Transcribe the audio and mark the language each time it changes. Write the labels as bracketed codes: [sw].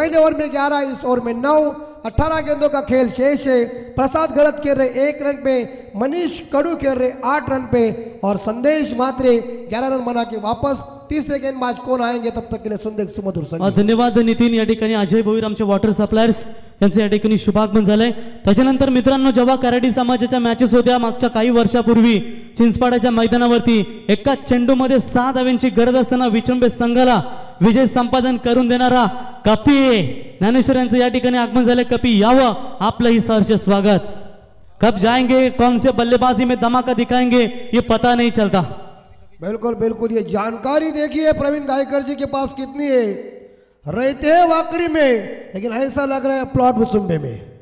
[hi] पहले ओवर में 11, इस ओवर में 9, 18 गेंदों का खेल शेष है। प्रसाद गलत खेल रहे 1 रन पे, मनीष कड़ू खेल रहे 8 रन पे और संदेश मात्रे 11 रन बना के वापस। तीसरे गेंदबाज कौन आएंगे तब तक के लिए सुन देख सुमधुर संगीत। [mr] धन्यवाद नितिन, या ठिकाणी अजय भोईराम चे वॉटर सप्लायर्स यांचे या ठिकाणी शुभागमन झाले। त्याच्यानंतर मित्रांनो, जेव्हा कराडी समाजाच्या मॅचेस होत्या मागच्या काही वर्षापूर्वी चिंचपाड्याच्या मैदानावरती, एका चेंडू मध्ये 7 धावांची गरज असताना विचंबे संघाला विजय संपादन करून देणारा कपी ज्ञानेश्वर यांचं या ठिकाणी आगमन झालं। कपी यावं, आपलंही सहर्ष स्वागत। [hi] कब जाएंगे, कौन से बल्लेबाजी में धमाका दिखाएंगे, ये पता नहीं चलता। बिल्कुल बिल्कुल, ये जानकारी देखिए प्रवीण गायकर जी के पास कितनी है, रहते हैं वाकरी में लेकिन ऐसा लग रहा है प्लॉट विसुंबे में।